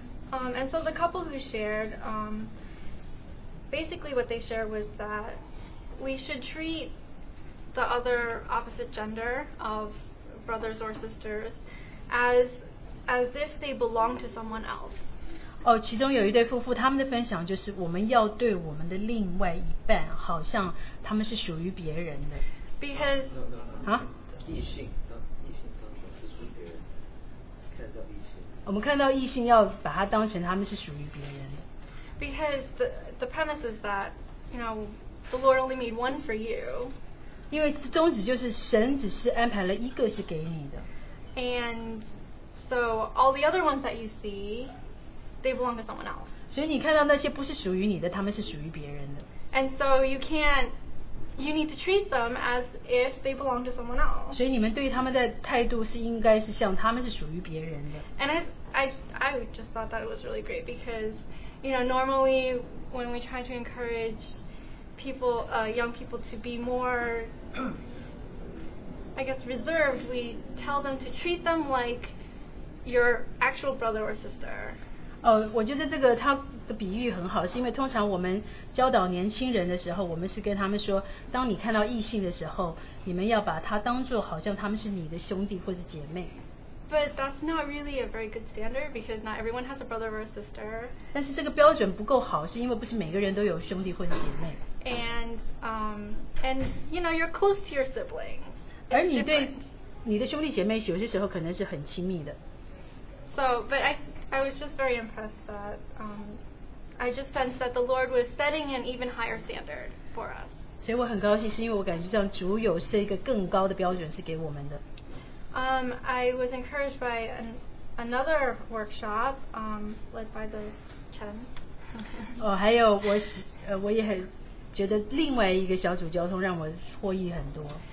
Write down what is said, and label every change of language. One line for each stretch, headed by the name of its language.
English: And so the couple who shared, basically what they shared was that we should treat the other opposite gender of brothers or sisters as if they belong to someone else.
Chinese: 其中有一对夫妇，他们的分享就是我们要对我们的另外一半，好像他们是属于别人的。
English: Because
Chinese: 异性，我们看到异性要把它当成他们是属于别人的。
English: Because the premise is that, you know, the Lord only made one for you.
Chinese: 因为宗旨就是神只是安排了一个是给你的。
English: And so all the other ones that you see, they belong to someone else.
Chinese: 所以你看到那些不是属于你的，他们是属于别人的。
English: And so you can't, you need to treat them as if they belong to someone else.
Chinese: 所以你们对他们的态度是应该是像他们是属于别人的。
English: And I just thought that it was really great because, you know, normally when we try to encourage people, young people to be more, I guess, reserved, we tell them to treat them like,your actual brother or sister.
Chinese: 我觉得这个他的比喻很好，是因为通常我们教导年轻人的时候，我们是跟他们说，当你看到异性的时候，你们要把他当作好像他们是你的兄弟或是姐妹。
English: But that's not really a very good standard because not everyone has a brother or a sister.
Chinese: 但是这个标准不够好，是因为不是每个人都有兄弟或是姐妹。
English: And you know you're close to your siblings.
Chinese: 而你对你的兄弟姐妹有些时候可能是很亲密的。
English: So, but I was just very impressed that I just sensed that the Lord was setting an even higher standard for us.
Chinese: 所以我很高兴，是因为我感觉上主有设一个更高的标准是给我们的。
English: I was encouraged by another workshop, led by the Chen.
Chinese: 哦，还有我也很觉得另外一个小组交通让我获益很多。